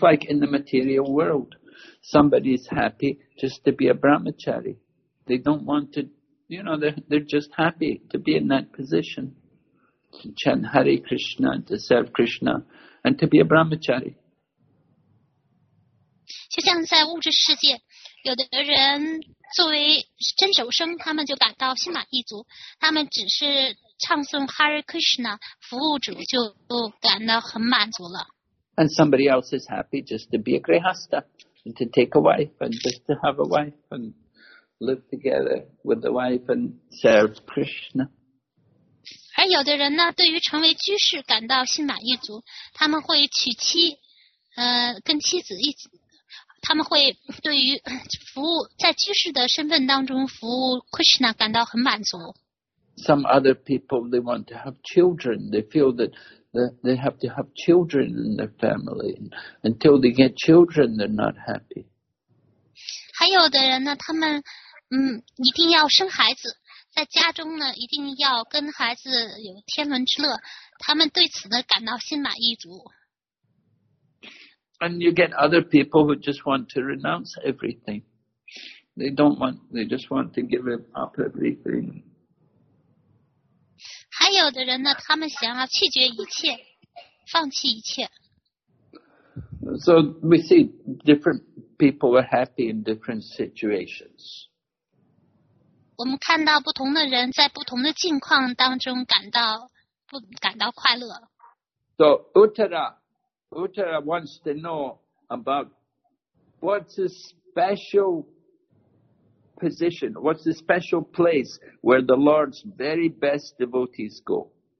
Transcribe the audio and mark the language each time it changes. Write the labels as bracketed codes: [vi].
[en] like in the material world, somebody is happy just to be a brahmachari. They don't want to, you know, they're just happy to be in that position, to chant Hare Krishna, to serve Krishna, and to be a brahmachari. [zh] 就像在物质世界，有的人作为真守生，他们就感到心满意足，他们只是唱诵 Hare Krishna, 服务主就感到很满足了。 [en] And somebody else is happy just to be a grihastha, and to take a wife, and just to have a wife, and live together with the wife and serve Krishna. [zh] 而有的人呢，对于成为居士感到心满意足，他们会娶妻，跟妻子一起，他们会对于服务在居士的身份当中服务 Krishna 感到很满足。 [en] Some other people, they want to have children. They feel that they have to have children in their family. Until they get children, they're not happy. [zh] 还有的人呢，他们一定要生孩子，在家中呢一定要跟孩子有天伦之乐，他们对此呢感到心满意足。 [en] And you get other people who just want to renounce everything. They don't want, they just want to give up everything. [zh] 还有的人呢，他们想要弃绝一切，放弃一切。 [en] So we see different people are happy in different situations. [zh] 我们看到不同的人在不同的境况当中感到快乐。 [en] So Uttara wants to know about what's the special position, what's the special place where the Lord's very best devotees go.